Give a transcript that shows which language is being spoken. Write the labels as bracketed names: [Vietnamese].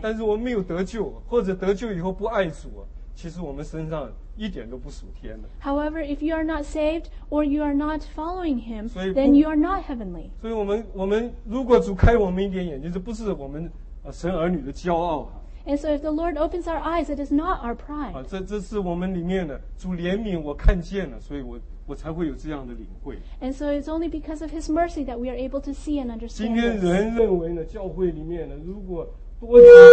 [Chinese] 但是我们没有得救，或者得救以后不爱主，其实我们身上一点都不属天的。 [English] However, if you are not saved or you are not following him, then you are not heavenly. [Chinese] 所以我们如果主开我们一点眼睛，这不是我们神儿女的骄傲。 [English] And so if the Lord opens our eyes, it is not our pride. [Chinese] 这是我们里面的主怜悯，我看见了，所以我才会有这样的领会。 [English] And so it's only because of His mercy that we are able to see and understand. [Chinese] 今天人认为呢，教会里面呢，如果多加